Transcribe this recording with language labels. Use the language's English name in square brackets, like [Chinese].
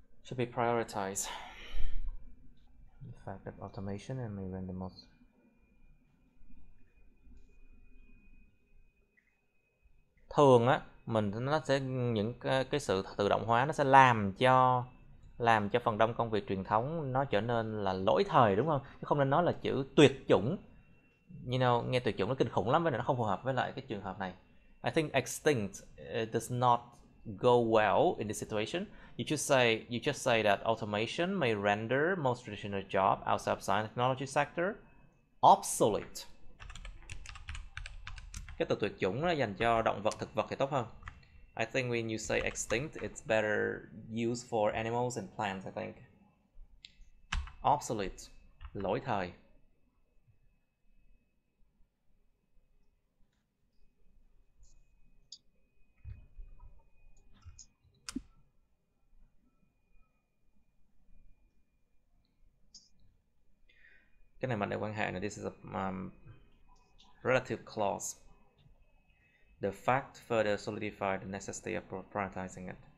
[English] To be prioritized. The fact that automation and even the most [Vietnamese] thường á, mình nó sẽ những cái sự tự động hóa nó sẽ làm cho phần đông công việc truyền thống nó trở nên là lỗi thời, đúng không? Chứ không nên nói là chữ tuyệt chủng. [English] You know, [Vietnamese] nghe tuyệt chủng nó kinh khủng lắm, với lại nó không phù hợp với lại cái trường hợp này. [English] I think extinct does not go well in this situation. You just say that automation may render most traditional job outside of science technology sector obsolete. [Vietnamese] Cái từ tuyệt chủng nó dành cho động vật, thực vật thì tốt hơn. [English] I think when you say extinct, it's better used for animals and plants, I think. [Vietnamese] Obsolete, lỗi thời. Cái này mình để quan hệ này, [English] this is a relative clause. The fact further solidified the necessity of prioritizing it.